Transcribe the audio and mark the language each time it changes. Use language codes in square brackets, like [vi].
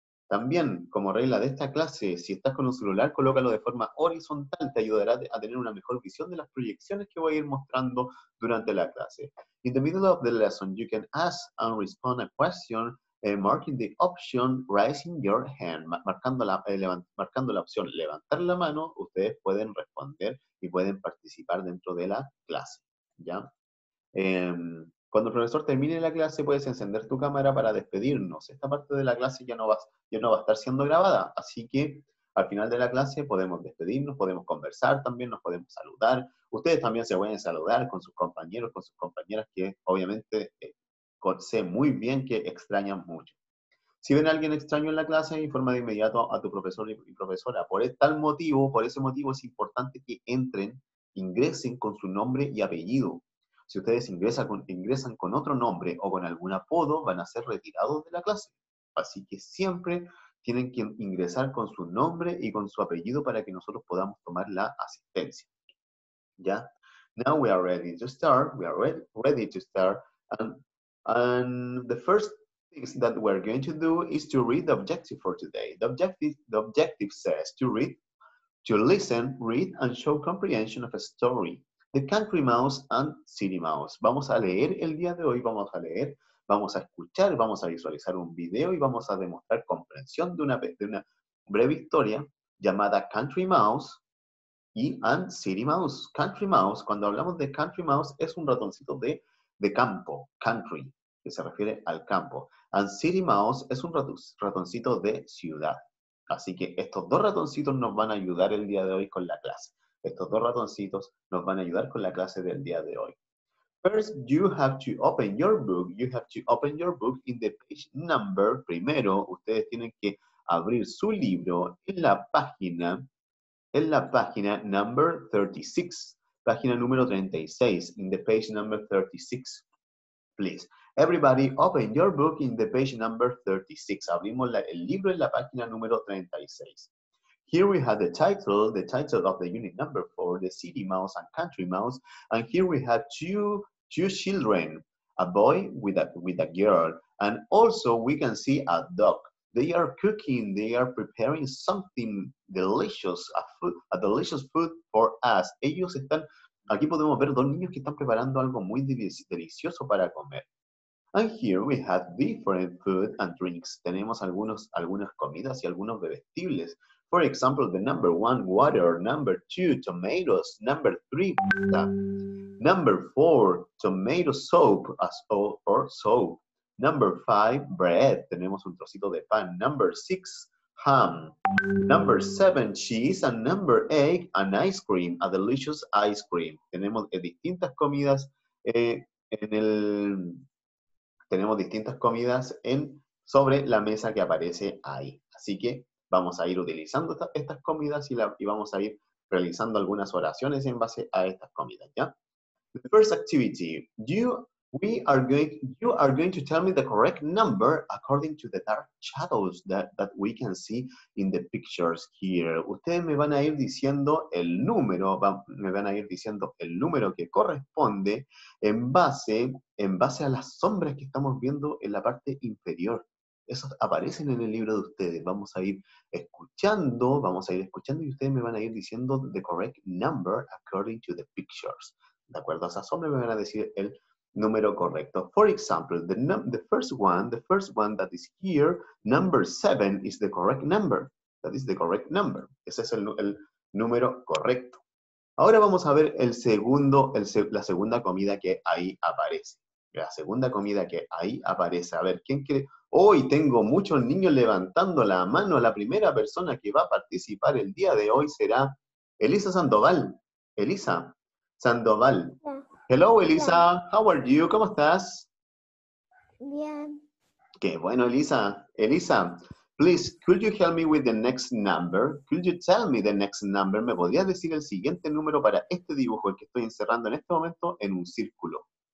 [es] También, como regla de esta clase, si estás con un celular, colócalo de forma horizontal. Te ayudará a tener una mejor visión de las proyecciones que voy a ir mostrando durante la clase. [en] In the middle of the lesson, you can ask and respond a question marking the option raising your hand. [es] Marcando la opción levantar la mano, ustedes pueden responder y pueden participar dentro de la clase. ¿Ya? Cuando el profesor termine la clase, puedes encender tu cámara para despedirnos. Esta parte de la clase ya no va a estar siendo grabada, así que al final de la clase podemos despedirnos, podemos conversar también, nos podemos saludar. Ustedes también se pueden saludar con sus compañeros, con sus compañeras, que obviamente sé muy bien que extrañan mucho. Si ven a alguien extraño en la clase, informa de inmediato a tu profesor y profesora. Por ese motivo es importante que ingresen con su nombre y apellido. Si ustedes ingresan con otro nombre o con algún apodo, van a ser retirados de la clase. Así que siempre tienen que ingresar con su nombre y con su apellido para que nosotros podamos tomar la asistencia. [en] ¿Ya? Now we are ready to start. We are ready to start. And the first things that we are going to do is to read the objective for today. The objective says to read, to listen, read, and show comprehension of a story. The Country Mouse and City Mouse. [es] Vamos a leer el día de hoy, vamos a leer, vamos a escuchar, vamos a visualizar un video y vamos a demostrar comprensión de una breve historia llamada Country Mouse y and City Mouse. Country Mouse, cuando hablamos de Country Mouse, es un ratoncito de campo, country, que se refiere al campo. And City Mouse es un ratoncito de ciudad. Así que estos dos ratoncitos nos van a ayudar el día de hoy con la clase. Estos dos ratoncitos nos van a ayudar con la clase del día de hoy. [en] First, you have to open your book. You have to open your book in the page number. [es] Primero, ustedes tienen que abrir su libro en la página number 36. Página número 36. [en] In the page number 36. Please. Everybody, open your book in the page number 36. [es] Abrimos el libro en la página número 36. [en] Here we have the title of the unit number 4, the city mouse and country mouse. And here we have two children, a boy with a girl. And also we can see a dog. They are cooking, they are preparing something delicious, a delicious food for us. [es] Ellos están, aquí podemos ver dos niños que están preparando algo muy delicioso para comer. [en] And here we have different food and drinks. [es] Tenemos algunas comidas y algunos bebestibles. [en] For example, the number 1, water, number 2, tomatoes, number 3, pasta, number 4, tomato soup, or soap, number 5, bread, [es] tenemos un trocito de pan, [en] number 6, Ham. Number 7, cheese. And number 8, an ice cream, a delicious ice cream. [es] Tenemos distintas comidas sobre la mesa que aparece ahí. Así que vamos a ir utilizando estas comidas y vamos a ir realizando algunas oraciones en base a estas comidas, ¿ya? [en] The first activity. You are going to tell me the correct number according to the dark shadows that we can see in the pictures here. [es] Ustedes me van a ir diciendo el número, que corresponde en base a las sombras que estamos viendo en la parte inferior. Esos aparecen en el libro de ustedes. Vamos a ir escuchando y ustedes me van a ir diciendo [en] the correct number according to the pictures. [es] De acuerdo a esa sombra, me van a decir el número correcto. [en] For example, the first one that is here, number 7, is the correct number. That is the correct number. [es] Ese es el número correcto. Ahora vamos a ver la segunda comida que ahí aparece. A ver, ¿quién quiere? Hoy tengo muchos niños levantando la mano. La primera persona que va a participar el día de hoy será Elisa Sandoval. [en] Elisa Sandoval. Hello, Elisa. How are you? [es] ¿Cómo estás? Bien. Qué bueno, Elisa. [en] Elisa, please, could you help me with the next number? Could you tell me the next number? [es] ¿Me podrías decir el siguiente número para este dibujo que estoy encerrando en este momento en un círculo?